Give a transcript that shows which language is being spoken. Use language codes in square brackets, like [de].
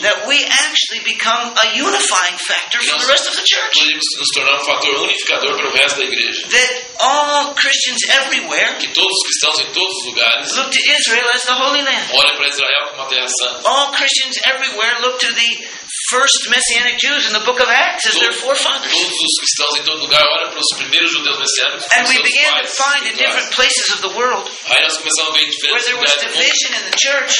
[en] That we actually become a unifying factor for the rest of the church. [pt] Poderíamos nos tornar um fator unificador para o resto da igreja. [en] That all Christians everywhere. [pt] Que todos os cristãos em todos os lugares. [en] Look to Israel as the Holy Land. [pt] Olhem para Israel como a Terra Santa. [en] All Christians everywhere look to the first Messianic Jews in the book of Acts as their forefathers. [pt] Todos os cristãos em todo lugar olham para os primeiros judeus messiânicos. [en] And we began to find in different places of the world where there was division in the church.